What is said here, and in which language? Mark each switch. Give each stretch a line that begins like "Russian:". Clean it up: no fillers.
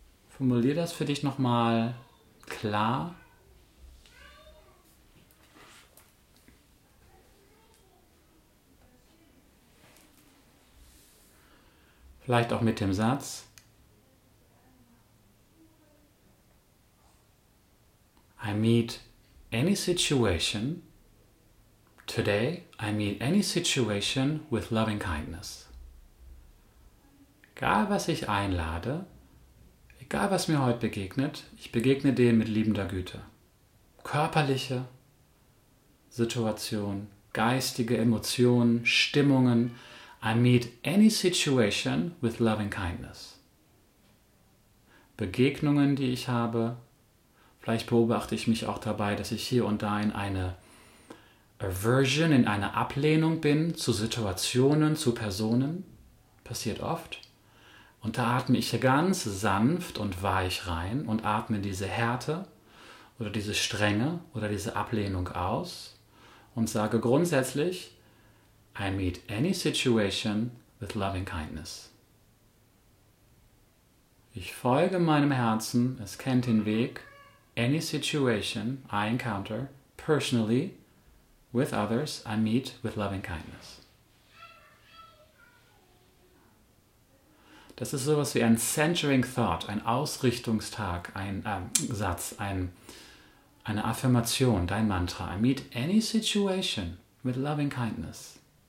German: Formulier das für dich nochmal klar. Vielleicht auch mit dem Satz.
English: I meet any situation today, I meet any situation with loving kindness.
German: Egal was ich einlade, egal was mir heute begegnet, ich begegne dem mit liebender Güte. Körperliche Situation, geistige Emotionen, Stimmungen.
English: I meet any situation with loving kindness.
German: Begegnungen, die ich habe. Vielleicht beobachte ich mich auch dabei, dass ich hier und da in eine Aversion, in eine Ablehnung bin zu Situationen, zu Personen. Passiert oft. Und da atme ich hier ganz sanft und weich rein und atme diese Härte oder diese Strenge oder diese Ablehnung aus und sage grundsätzlich,
English: I meet any situation with loving kindness.
German: Ich folge meinem Herzen, es kennt den Weg.
English: Any situation I encounter personally with others, I meet with loving kindness.
German: Das ist sowas wie ein centering thought, ein Ausrichtungstag, ein Satz, eine Affirmation, dein Mantra.
English: I meet any situation with loving kindness.